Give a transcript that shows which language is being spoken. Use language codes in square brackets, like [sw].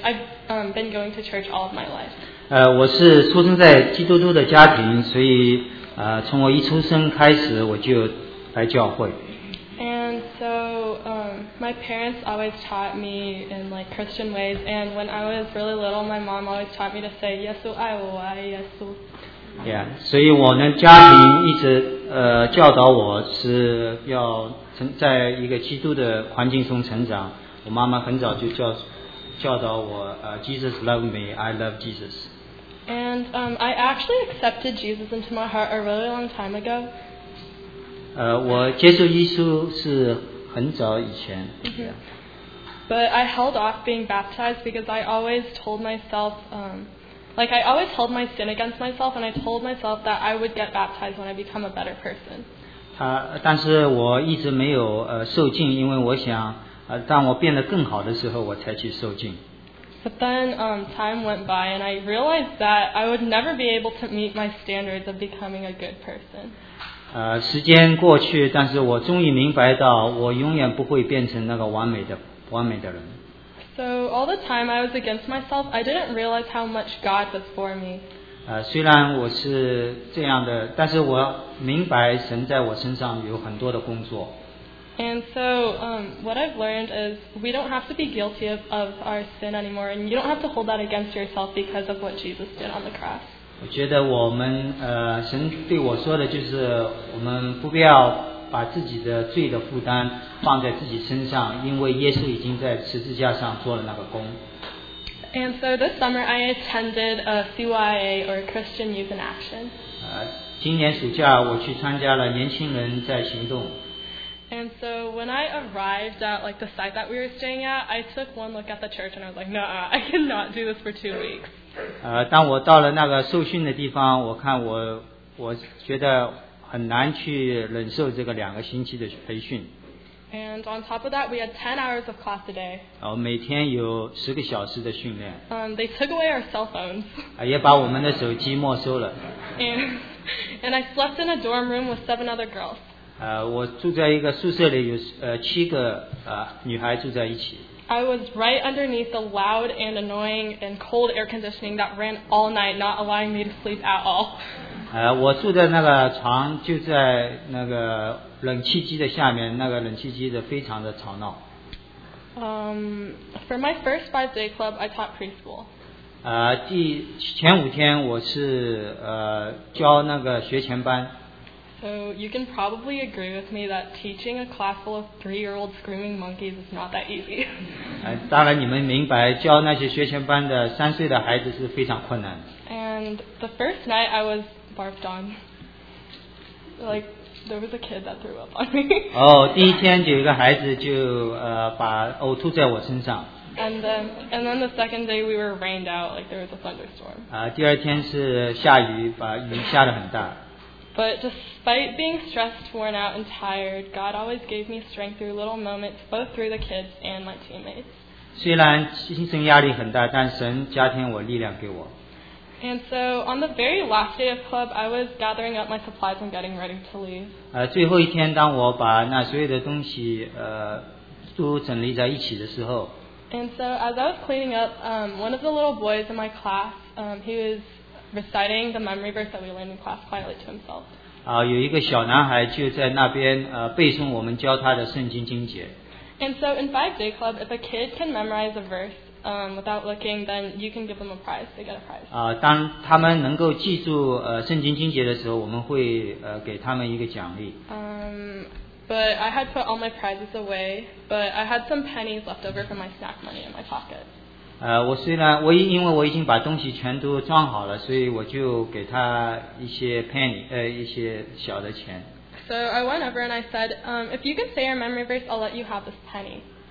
[en] I've been going to church all of my life. [zh] 我是出生在基督徒的家庭，所以从我一出生开始我就来教会。 [en] And so my parents always taught me in like Christian ways, and when I was really little, my mom always taught me to say [zh] Yesu ai wo, ai Yesu. Yeah, 所以我的家庭一直教导我是要在一个基督的环境中成长。我妈妈很早就教导我 [en] Jesus love me, I love Jesus. And I actually accepted Jesus into my heart a really long time ago. [zh] 我接受耶稣是很早以前。 [en] But I held off being baptized because I always told myself, I always held my sin against myself, and I told myself that I would get baptized when I become a better person. [zh] 但是我一直没有受浸，因为我想当我变得更好的时候我才去受浸。 [en] But then time went by and I realized that I would never be able to meet my standards of becoming a good person. [zh] 时间过去，但是我终于明白到我永远不会变成那个完美的人。 [en] So all the time I was against myself, I didn't realize how much God was for me. [zh] 虽然我是这样的，但是我明白神在我身上有很多的工作。 [en] And so, what I've learned is we don't have to be guilty of our sin anymore, and you don't have to hold that against yourself because of what Jesus did on the cross. [zh] 我觉得我们神对我说的就是我们不必要把自己的罪的负担放在自己身上，因为耶稣已经在十字架上做了那个工。 [en] And so this summer I attended a CYA or Christian Youth in Action. [zh] 今年暑假我去参加了年轻人在行动。 [en] And so when I arrived at like the site that we were staying at, I took one look at the church and I was like, nah, I cannot do this for 2 weeks. [zh] 当我到了那个受训的地方，我看我觉得很难去忍受这个两个星期的培训。 [en] And on top of that, we had 10 hours of class a day. [zh] 每天有十个小时的训练。 [en] They took away our cell phones. [zh] 也把我们的手机没收了。 [en] And I slept in a dorm room with 7 other girls. [zh] 我住在一个宿舍里，有七个女孩住在一起。 [en] I was right underneath the loud and annoying and cold air conditioning that ran all night, not allowing me to sleep at all. [zh] 我住在那个床就在那个冷气机的下面，那个冷气机的非常的吵闹。 [en] For my first 5 day club, I taught preschool. [zh] 前五天我是教那个学前班。 [en] So you can probably agree with me that teaching a class full of 3-year-old screaming monkeys is not that easy. [zh] 当然你们明白教那些学前班的三岁的孩子是非常困难。 [en] And the first night I was barfed on. Like,there was a kid that threw up on me. [zh] 第一天就有一个孩子就把呕吐在我身上。 [en] And then the second day we were rained out, like there was a thunderstorm. [zh] 第二天是下雨, 把雨下得很大。 [en] But despite being stressed, worn out, and tired, God always gave me strength through little moments, both through the kids and my teammates. [zh] 虽然精神压力很大, 但神加添我力量给我。 [en] And so on the very last day of club, I was gathering up my supplies and getting ready to leave. [zh] 最后一天当我把那所有的东西, 都整理在一起的时候, [en] And so as I was cleaning up, one of the little boys in my class, he was reciting the memory verse that we learned in class quietly to himself. [zh] 有一个小男孩就在那边, 背诵我们教他的圣经经节。 [en] And so in 5-day club, if a kid can memorize a verse, without looking, then you can give them a prize. They get a prize. [zh] 当他们能够记住, 圣经经节的时候, 我们会, 给他们一个奖励。 [en] But I had put all my prizes away, but I had some pennies left over from my snack money in my pocket. [zh] 我因为我已经把东西全都装好了, 所以我就给他一些 penny, 一些小的钱。 [en] So I went over and I said, if you can say your memory verse, I'll let you have this penny.